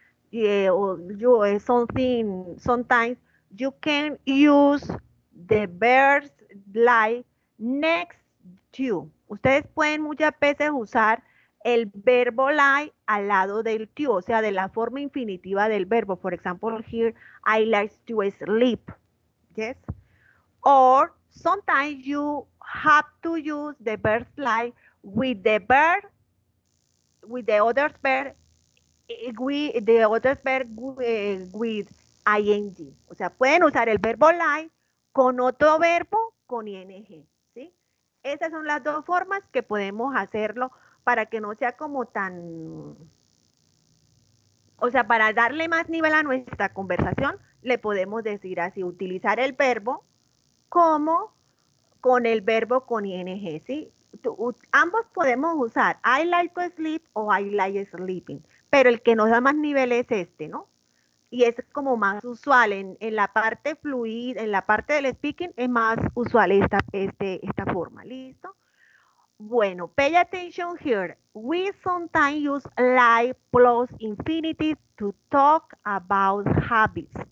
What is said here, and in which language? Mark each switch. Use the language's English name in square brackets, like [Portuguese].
[English] Yeah, sometimes you can use the verbs like next to. [Spanish] Ustedes pueden muchas veces usar el verbo like al lado del to, o sea, de la forma infinitiva del verbo. [English] For example, here, I like to sleep. Yes? Or sometimes you have to use the verb like with the other verb with ing. [Spanish] O sea, pueden usar el verbo like con otro verbo con ing. ¿Sí? Esas son las dos formas que podemos hacerlo. Para que no sea como tan, o sea, para darle más nivel a nuestra conversación, le podemos decir así, utilizar el verbo como con el verbo con ing, ¿sí? Ambos podemos usar [English] I like to sleep [Spanish] o [English] I like sleeping, [Spanish] pero el que nos da más nivel es este, ¿no? Y es como más usual en la parte fluida, en la parte del speaking, es más usual esta forma, ¿listo? [English] Bueno, pay attention here. We sometimes use like plus infinitive to talk about habits.